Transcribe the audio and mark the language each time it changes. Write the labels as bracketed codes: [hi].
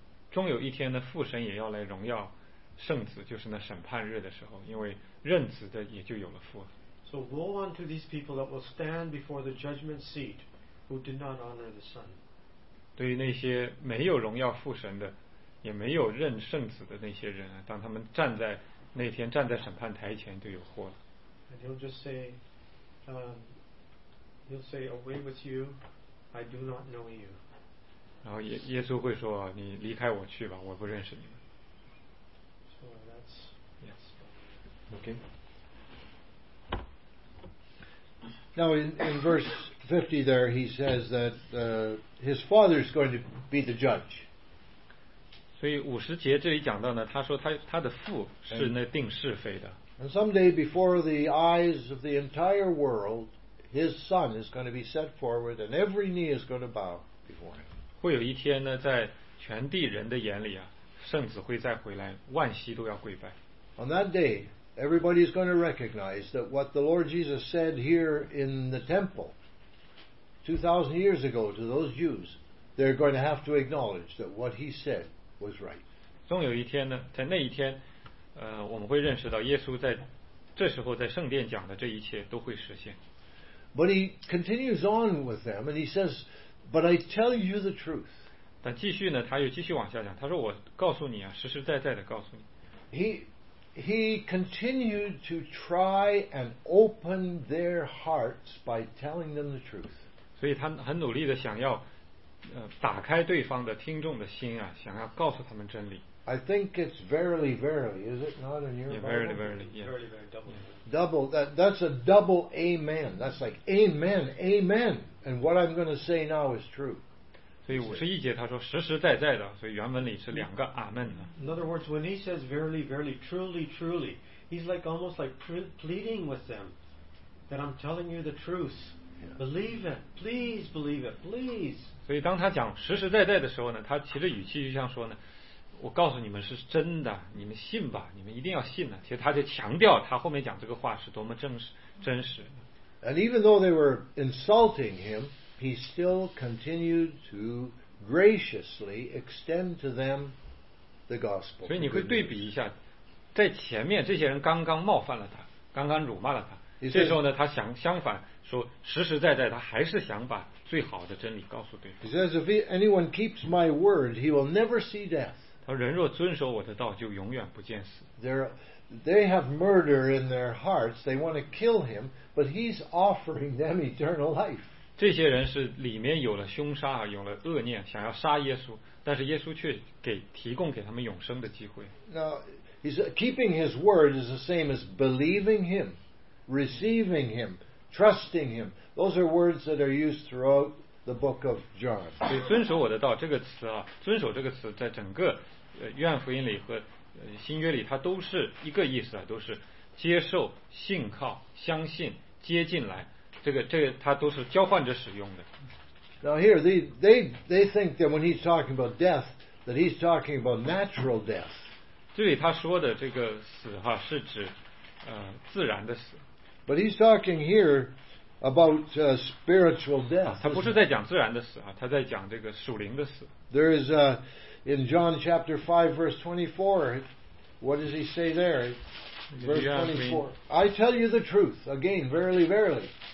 [zh] 终有一天呢，父神也要来荣耀圣子，就是那审判日的时候，因为认子的也就有了父。 [en] So woe unto these people that will stand before the judgment seat who did not honor the Son. [zh] 对于那些没有荣耀父神的，也没有认圣子的那些人啊，当他们站在那天站在审判台前就有祸了。 [en] And he'll just say, he'll say, away with you, I do not know you. [zh] 然后耶稣会说，你离开我去吧，我不认识你们。 [en] So that's yes. Okay. Now in verse 50 there, he says that his father is going to be the judge. [zh] 所以五十节这里讲到呢，他说他的父是那定是非的。 [en] And someday before the eyes of the entire world, his son is going to be set forward, and every knee is going to bow before him. [zh] 会有一天呢，在全地人的眼里圣子会再回来，万膝都要跪拜。 [en] On that day, everybody is going to recognize that what the Lord Jesus said here in the temple 2,000 years ago to those Jews, they're going to have to acknowledge that what he said. Was right. [zh] 终有一天呢，在那一天，我们会认识到耶稣在这时候在圣殿讲的这一切都会实现。 [en] But he continues on with them, and he says, "But I tell you the truth." [zh] 但继续呢，他又继续往下讲。他说：“我告诉你啊，实实在在的告诉你。” [en] He continued to try and open their hearts by telling them the truth. [zh] 所以他很努力的想要。打开对方的听众的心啊，想要告诉他们真理。 [en] I think it's verily, verily, is it not in your Bible? Yeah, verily, verily, yeah. Verily, verily, double. Double. That's a double amen. That's like amen, amen. And what I'm going to say now is true. [zh] 所以五十一节他说实实在在的，所以原文里是两个阿门的。 [en] In other words, when he says verily, verily, truly, truly, he's like almost like pleading with them that I'm telling you the truth. Believe it, please believe it, please. [zh] 所以当他讲实实在在的时候呢，他其实语气就像说呢，我告诉你们是真的，你们信吧，你们一定要信呢。其实他就强调他后面讲这个话是多么真实。 [en] And even though they were insulting him, he still continued to graciously extend to them the gospel. [zh] 所以你会对比一下，在前面这些人刚刚冒犯了他，刚刚辱骂了他。这时候呢，他想相反说，实实在在，他还是想把最好的真理告诉对方。 [en] He says, if anyone keeps my word, he will never see death. [zh] 他说人若遵守我的道，就永远不见死。 [en] They have murder in their hearts. They want to kill him, but he's offering them eternal life. [zh] 这些人是里面有了凶杀，有了恶念，想要杀耶稣，但是耶稣却提供给他们永生的机会。 [en] Now, he says, keeping his word is the same as believing him. Receiving him, trusting him. Those are words that are used throughout the book of John. [zh] 所以遵守我的道这个词啊，遵守这个词在整个约翰福音里和新约里，它都是一个意思啊，都是接受、信靠、相信、接进来。这个它都是交换着使用的。 [en] Now here they think that when he's talking about death, that he's talking about natural death. [zh] 这里他说的这个死是指。自然的死 [en] But he's talking here about spiritual death. [zh] 他不是在讲自然的死啊，他在讲这个属灵的死。 [en] There is in John chapter 5 verse 24, what does he say there? Verse 24. I tell you the truth, again, verily, verily.